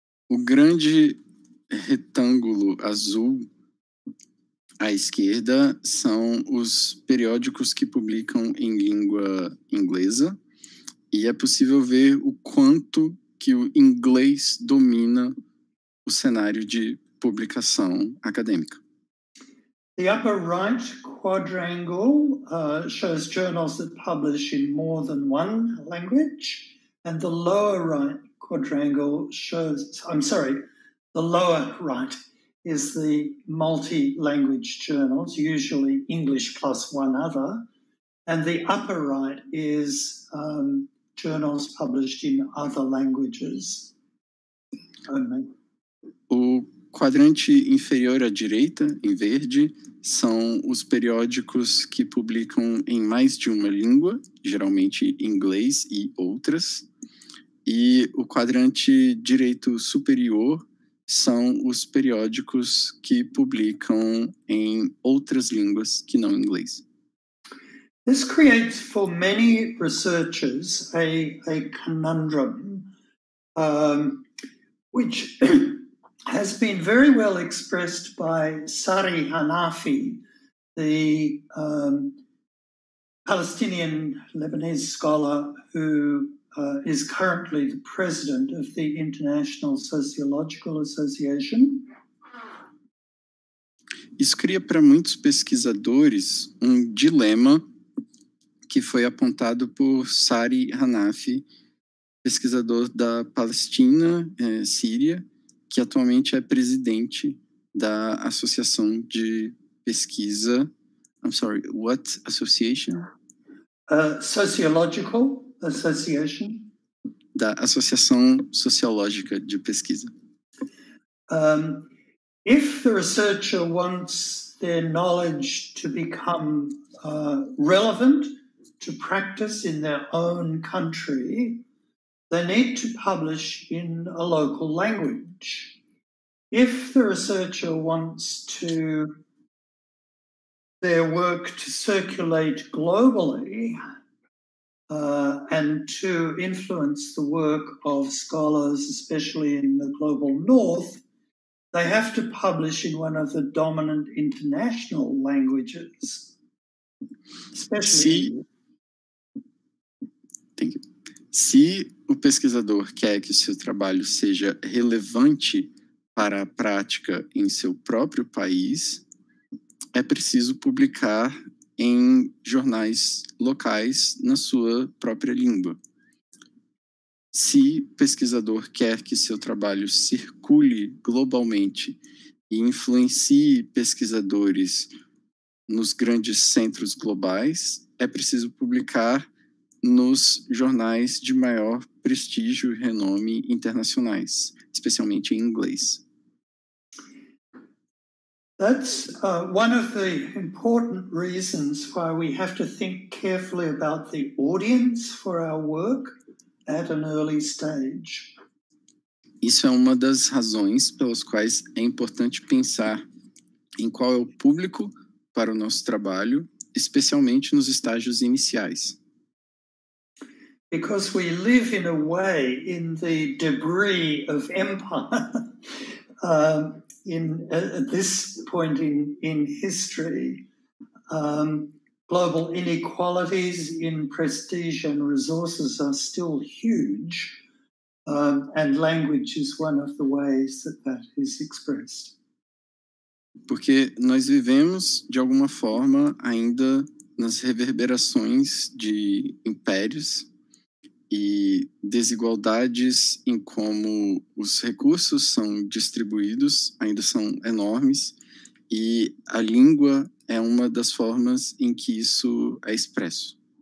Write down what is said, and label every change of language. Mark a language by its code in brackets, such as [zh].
[pt] O grande retângulo azul à esquerda são os periódicos que publicam em língua inglesa, e é possível ver o quanto que o inglês domina o cenário de publicação acadêmica. [en] The upper right quadrangle shows journals that publish in more than one language, and the lower right quadrangle shows, the lower right is the multi-language journals, usually English plus one other, and the upper right is journals published in other languages only. [pt] O quadrante inferior à direita, em verde, são os periódicos que publicam em mais de uma língua, geralmente inglês e outras. E o quadrante direito superior são os periódicos que publicam em outras línguas que não inglês. [en] This creates for many researchers a conundrum, which has been very well expressed by Sari Hanafi, the Palestinian-Lebanese scholar who is currently the president of the International Sociological Association. [pt] Isso cria para muitos pesquisadores um dilema que foi apontado por Sari Hanafi, pesquisador da Palestina, Síria, que atualmente é presidente da Associação de Pesquisa. [en] I'm sorry, what association? Sociological Association. [pt] Da Associação Sociológica de Pesquisa. [en] If the researcher wants their knowledge to become relevant to practice in their own country, they need to publish in a local language. If the researcher wants to their work to circulate globally and to influence the work of scholars, especially in the global north, they have to publish in one of the dominant international languages. Especially. Thank you. [pt] Se o pesquisador quer que o seu trabalho seja relevante para a prática em seu próprio país, é preciso publicar em jornais locais na sua própria língua. Se o pesquisador quer que seu trabalho circule globalmente e influencie pesquisadores nos grandes centros globais, é preciso publicar nos jornais de maior prestígio e renome internacionais, especialmente em inglês. [en] That's one of the important reasons why we have to think carefully about the audience for our work at an early stage. [pt] Isso é uma das razões pelas quais é importante pensar em qual é o público para o nosso trabalho, especialmente nos estágios iniciais. [en] Because we live in a way in the debris of empire at this point in history, global inequalities in prestige and resources are still huge, and language is one of the ways that that is expressed. [pt] Porque nós vivemos, de alguma forma, ainda nas reverberações de impérios e desigualdades em como os recursos são distribuídos ainda são enormes, e a língua é uma das formas em que isso é expresso.